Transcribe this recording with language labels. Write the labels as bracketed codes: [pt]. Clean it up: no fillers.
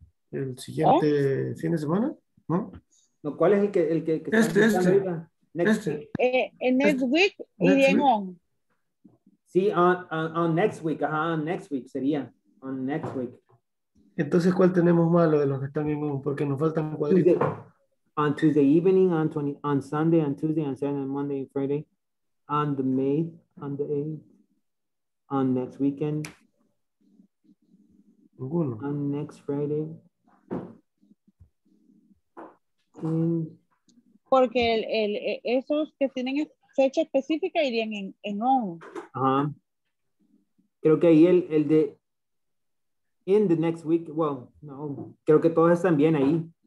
[es] El siguiente fin de semana, ¿no? No, ¿cuál es el que este. [en] Next week. Next week [es] iría en [en] on. Sí, on next week. Ajá, next week [es] sería. [en] On next week. [es] Entonces, ¿cuál tenemos malo de los que están en on? Porque nos faltan cuadritos. [en] The, on Tuesday evening, on Sunday, on Tuesday, on Saturday, on Monday, and Friday, on the May, on the 8th, on next weekend, on next Friday. [es] Porque el esos que tienen fecha específica irían en on. Ajá. Creo que ahí el de [en] in the next week, well, [es] no, creo que todos están bien ahí.